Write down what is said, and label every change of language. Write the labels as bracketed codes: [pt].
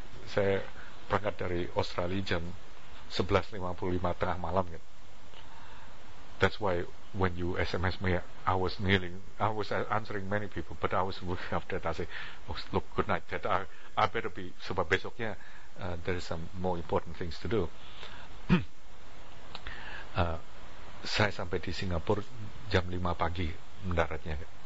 [id] Saya berangkat dari Australia jam 11:55 tengah malam gitu. [en] That's why when you SMS me, I was answering many people, but I was after that I say, oh, look, good night, Dad. I better be, [id] sebab besoknya [en] there is some more important things to do. [id] Saya sampai di Singapura jam 5 pagi mendaratnya.